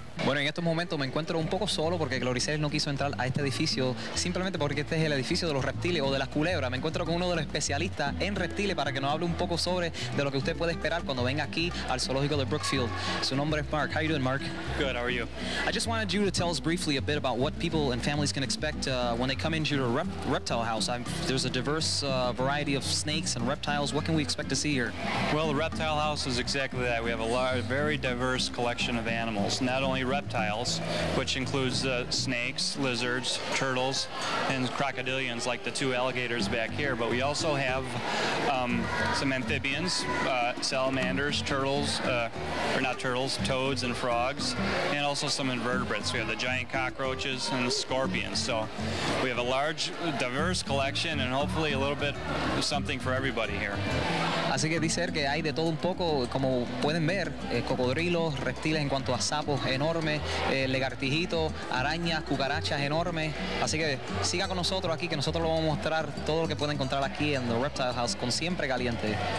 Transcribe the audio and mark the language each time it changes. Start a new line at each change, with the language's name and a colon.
Spanish: Bueno, en estos momentos me encuentro un poco solo porque Gloricelly no quiso entrar a este edificio simplemente porque este es el edificio de los reptiles o de las culebras. Me encuentro con uno de los especialistas en reptiles para que nos hable un poco sobre de lo que usted puede esperar cuando venga aquí al zoológico de Brookfield. Su nombre es Mark.
English: How are you doing, Mark? Good, how are you? I just wanted you to tell us briefly a bit about what people and families can expect when they come into your reptile house. There's a diverse variety of snakes and reptiles. What can we expect to see here? Well, the reptile house is exactly that. We have a very diverse collection of animals. Not only reptiles, which includes snakes, lizards, turtles, and crocodilians like the two alligators back here, but we also have some amphibians, salamanders, turtles, or not turtles, toads and frogs, and also some invertebrates. We have the giant cockroaches and the scorpions, so we have a large, diverse collection and hopefully a little bit of something for everybody here.
Spanish: Así que dice que hay de todo un poco, como pueden ver, cocodrilos, reptiles en cuanto a sapos enormes, legartijitos, arañas, cucarachas enormes. Así que siga con nosotros aquí, que nosotros lo vamos a mostrar todo lo que puede encontrar aquí en The Reptile House con Siempre Caliente.